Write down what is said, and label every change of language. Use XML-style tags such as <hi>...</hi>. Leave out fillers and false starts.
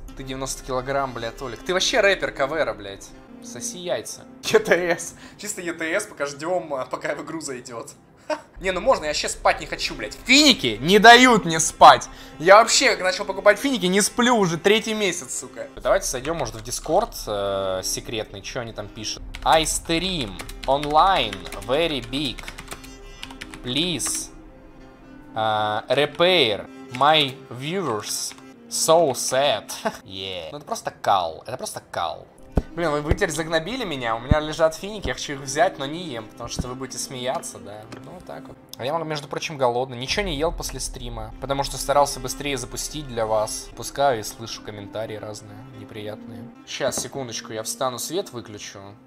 <ru>Ты 90 килограмм, бля, Толик. Ты вообще рэпер Кавера, блядь. Соси яйца. ЕТС. Чисто ЕТС, пока ждем, пока в игру зайдет. Не, ну можно, я вообще спать не хочу, блядь. Финики не дают мне спать. Я вообще, как начал покупать финики, не сплю уже третий месяц, сука. Давайте зайдем, может, в Дискорд секретный, что они там пишут.</ru> <en>I stream online very big. Please repair my viewers. So sad. Yeah.</en> <ru>Ну это просто кал, это просто кал. Блин, вы теперь загнобили меня, у меня лежат финики, я хочу их взять, но не ем, потому что вы будете смеяться, да, ну вот так вот. А я, между прочим, голодный, ничего не ел после стрима, потому что старался быстрее запустить для вас. Пускаю и слышу комментарии разные, неприятные. Сейчас, секундочку, я встану, свет выключу.</ru>